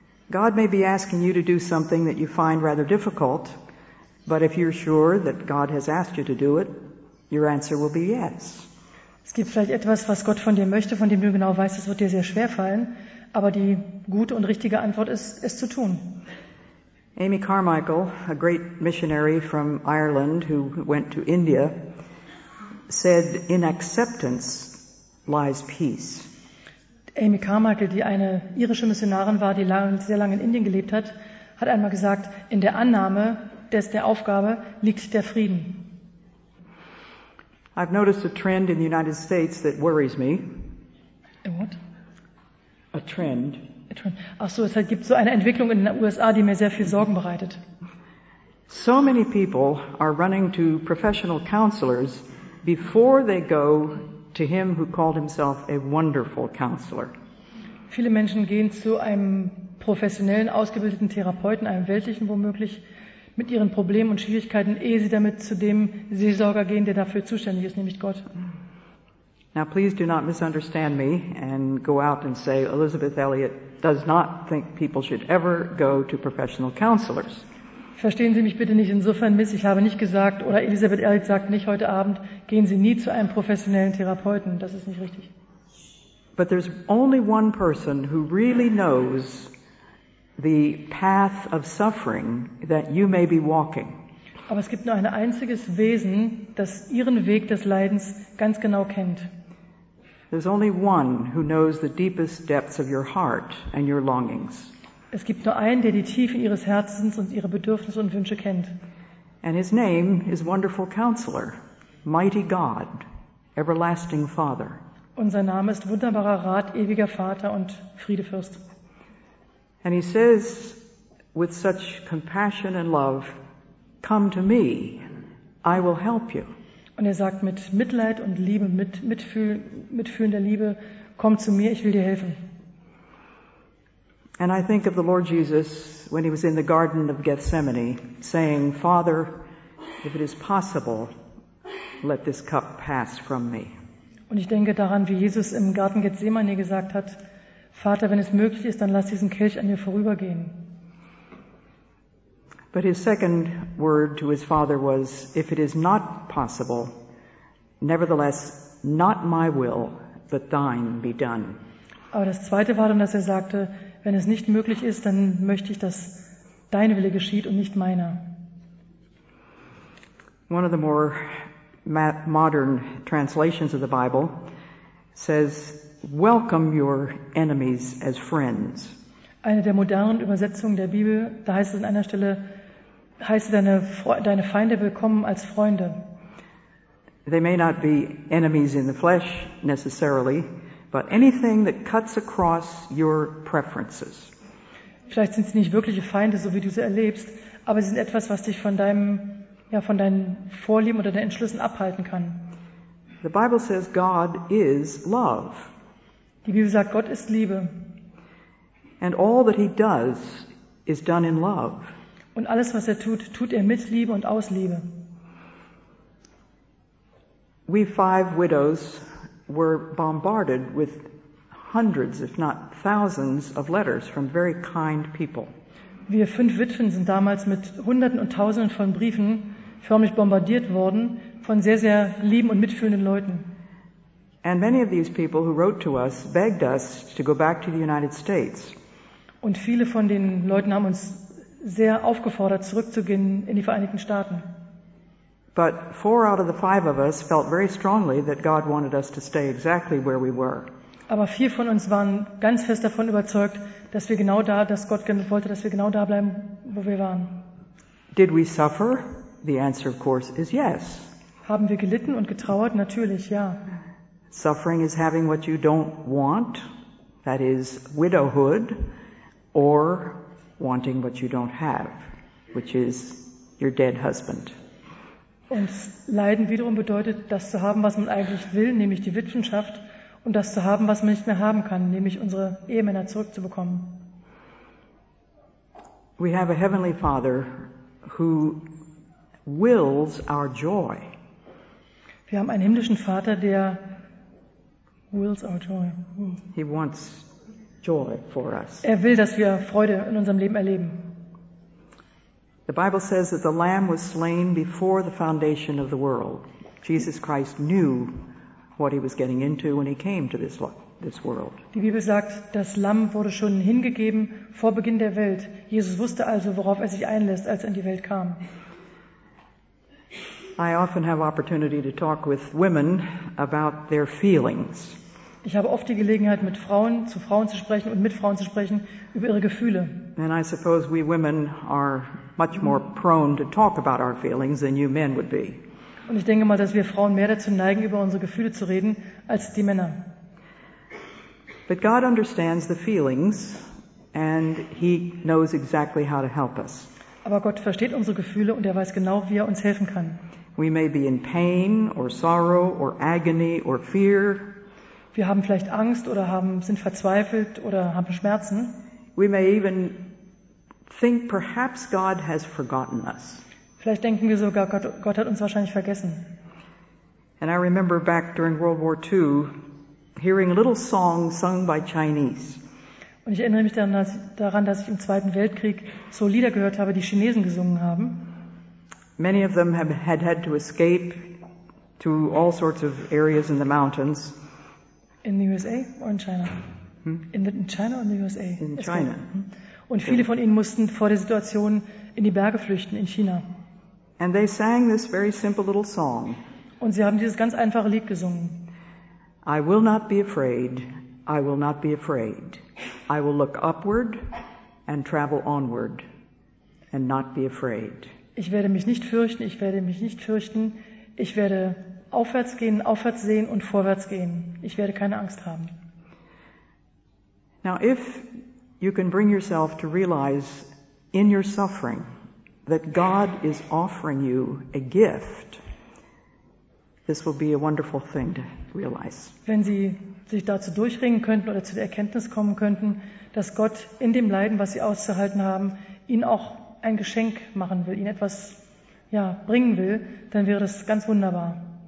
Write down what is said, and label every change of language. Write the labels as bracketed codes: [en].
[en] God may be asking you to do something that you find rather difficult, but if you're sure that God has asked you to do it, your answer will be yes. [de] Es gibt vielleicht etwas, was Gott von dir möchte, von dem du genau weißt, es wird dir sehr schwer fallen, aber die gute und richtige Antwort ist, es zu tun. [en] Amy Carmichael, a great missionary from Ireland who went to India, said, in acceptance lies peace. [de] Amy Carmichael, die eine irische Missionarin war, die sehr lange in Indien gelebt hat, hat einmal gesagt, in der Annahme der Aufgabe liegt der Frieden. [en] I've noticed a trend in the United States that worries me. A what? A trend. [de] Ach so, es gibt so eine Entwicklung in den USA, die mir sehr viel Sorgen bereitet. [en] So many people are running to professional counselors before they go to him who called himself a wonderful counselor. [de] Viele Menschen gehen zu einem professionellen, ausgebildeten Therapeuten, einem weltlichen womöglich, mit ihren Problemen und Schwierigkeiten, ehe sie damit zu dem Seelsorger gehen, der dafür zuständig ist, nämlich Gott. [en] Now please do not misunderstand me and go out and say Elizabeth Elliot does not think people should ever go to professional counselors. [de] Verstehen Sie mich bitte nicht insofern miss, ich habe nicht gesagt oder Elizabeth Elliot sagt nicht heute Abend, gehen Sie nie zu einem professionellen Therapeuten, das ist nicht richtig. [en] But there's only one person who really knows the path of suffering that you may be walking. [de] Aber es gibt nur ein einziges Wesen, das ihren Weg des Leidens ganz genau kennt. [en] There's only one who knows the deepest depths of your heart and your longings. [de] Es gibt nur einen, der die Tiefe ihres Herzens und ihre Bedürfnisse und Wünsche kennt. [en] And his name is Wonderful Counselor, Mighty God, Everlasting Father. [de] Und sein Name ist Wunderbarer Rat, Ewiger Vater und Friedefürst. [en] And he says with such compassion and love, come to me, I will help you. [de] Und er sagt mit Mitleid und Liebe, mit mitfühlender Liebe, komm zu mir, ich will dir helfen. [en] And I think of the Lord Jesus when he was in the Garden of Gethsemane saying, Father, if it is possible, let this cup pass from me. [de] Und ich denke daran, wie Jesus im Garten Gethsemane gesagt hat, Vater, wenn es möglich ist, dann lass diesen Kelch an mir vorübergehen. [en] But his second word to his father was, if it is not possible, nevertheless, not my will, but thine be done. [de] Aber das zweite war dann, dass er sagte, wenn es nicht möglich ist, dann möchte ich, dass dein Wille geschieht und nicht meiner. [en] One of the more modern translations of the Bible says, welcome your enemies as friends. [de] Eine der modernen Übersetzungen der Bibel, da heißt es an einer Stelle, heiße deine Feinde willkommen als Freunde. [en] They may not be enemies in the flesh necessarily, but anything that cuts across your preferences. [de] Vielleicht sind sie nicht wirkliche Feinde, so wie du sie erlebst, aber sie sind etwas, was dich von deinem, ja, von deinen Vorlieben oder deinen Entschlüssen abhalten kann. [en] The Bible says God is love. [de] Die Bibel sagt, Gott ist Liebe. [en] And all that he does is done in love. [de] Und alles, was er tut, tut er mit Liebe und aus Liebe. [en] We five widows were bombarded with hundreds, if not thousands, of letters from very kind people. [de] Wir fünf Witwen sind damals mit Hunderten und Tausenden von Briefen förmlich bombardiert worden von sehr, sehr lieben und mitfühlenden Leuten. [en] And many of these people who wrote to us begged us to go back to the United States. [de] Und viele von den Leuten haben uns sehr aufgefordert, zurückzugehen in die Vereinigten Staaten. [en] But four out of the five of us felt very strongly that God wanted us to stay exactly where we were. [de] Aber vier von uns waren ganz fest davon überzeugt, dass wir genau da, dass Gott wollte, dass wir genau da bleiben, wo wir waren. [en] Did we suffer? The answer, of course, is yes. [de] Haben wir gelitten und getrauert? Natürlich, ja. [en] Suffering is having what you don't want, that is widowhood, or wanting what you don't have, which is your dead husband. [de] Und leiden wiederum bedeutet, das zu haben, was man eigentlich will, nämlich die Witwenschaft, und das zu haben, was man nicht mehr haben kann, nämlich unsere Ehemänner zurückzubekommen. [en] We have a heavenly Father who wills our joy. [de] Wir haben einen himmlischen Vater, der [en] wills our joy. He wants joy for us. [de] Er will, dass wir Freude in unserem Leben erleben. [en] The Bible says that the Lamb was slain before the foundation of the world. Jesus Christ knew what he was getting into when he came to this world. [de] Die Bibel sagt, das Lamm wurde schon hingegeben vor Beginn der Welt. Jesus wusste also, worauf er sich einlässt, als er in die Welt kam. [en] I often have opportunity to talk with women about their feelings. [de] Ich habe oft die Gelegenheit, mit Frauen zu Frauen zu sprechen und mit Frauen zu sprechen über ihre Gefühle. [en] And I suppose we women are much more prone to talk about our feelings than you men would be. [de] Und ich denke mal, dass wir Frauen mehr dazu neigen, über unsere Gefühle zu reden, als die Männer. [en] But God understands the feelings, and he knows exactly how to help us. [de] Aber Gott versteht unsere Gefühle und er weiß genau, wie er uns helfen kann. [en] We may be in pain or sorrow or agony or fear. [de] Wir haben vielleicht Angst oder sind verzweifelt oder haben Schmerzen. [en] We may even think perhaps God has forgotten us. [de] Vielleicht denken wir sogar, Gott hat uns wahrscheinlich vergessen. [en] And I remember back during World War II hearing little songs sung by Chinese. [de] Und ich erinnere mich daran, dass ich im Zweiten Weltkrieg so Lieder gehört habe, die Chinesen gesungen haben. [en] Many of them had to escape to all sorts of areas in the mountains. In the USA or in China? In China or in the USA? In China. [de] Und viele von ihnen mussten vor der Situation in die Berge flüchten in China. [en] And they sang this very simple little song. [de] Und sie haben dieses ganz einfache Lied gesungen. [en] I will not be afraid. I will not be afraid. I will look upward and travel onward and not be afraid. [de] Ich werde mich nicht fürchten, ich werde mich nicht fürchten. Ich werde aufwärts gehen, aufwärts sehen und vorwärts gehen. Ich werde keine Angst haben. [en] Now if you can bring yourself to realize in your suffering that God is offering you a gift, this will be a wonderful thing to realize. [de] Wenn Sie sich dazu durchringen könnten oder zu der Erkenntnis kommen könnten, dass Gott in dem Leiden, was Sie auszuhalten haben, Ihnen auch ein Geschenk machen will, Ihnen etwas bringen will, dann wäre das ganz wunderbar.